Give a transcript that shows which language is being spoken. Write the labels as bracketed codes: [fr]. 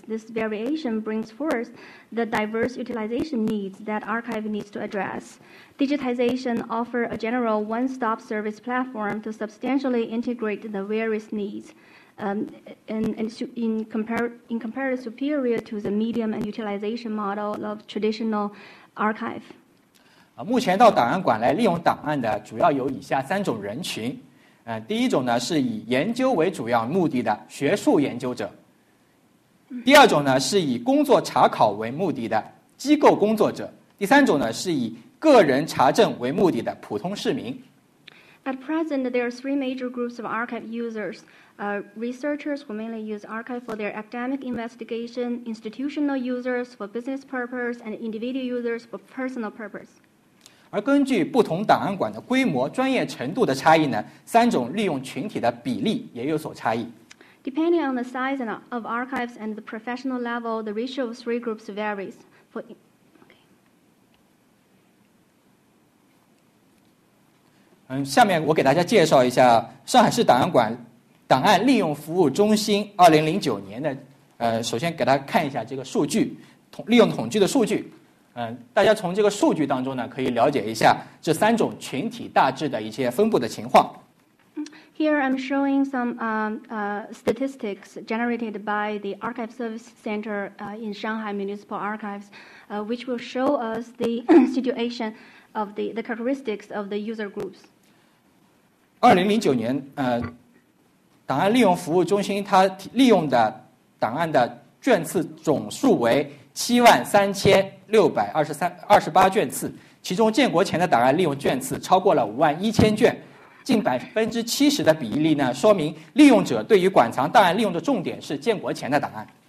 [en] This variation brings forth the diverse utilization needs that archive needs to address. Digitization offers a general one-stop service platform to substantially integrate the various needs. In comparison superior to the medium and utilization model of traditional archive. [zh] 目前到档案馆来利用档案的主要有以下三种人群。第一种呢是以研究为主要目的的学术研究者。第二种呢是以工作查考为目的的机构工作者。第三种呢是以个人查证为目的的普通市民。 [en] At present, there are three major groups of archive users. Researchers who mainly use archive for their academic investigation, institutional users for business purpose, and individual users for personal purpose. [zh] 而根据不同档案馆的规模、专业程度的差异呢，三种利用群体的比例也有所差异。 [en] Depending on the size of archives and the professional level, the ratio of three groups varies. [zh] 下面我给大家介绍一下上海市档案馆档案利用服务中心2009年的首先给大家看一下这个数据，利用统计的数据。大家从这个数据当中呢可以了解一下这三种群体大致的一些分布的情况。 [en] Here I'm showing some statistics generated by the Archive Service Center in Shanghai Municipal Archives, which will show us the situation of the characteristics of the user groups. [zh] 2009年，档案利用服务中心它利用的档案的卷次总数为73,628卷次，其中建国前的档案利用卷次超过了51,000卷，近70%的比例呢，说明利用者对于馆藏档案利用的重点是建国前的档案。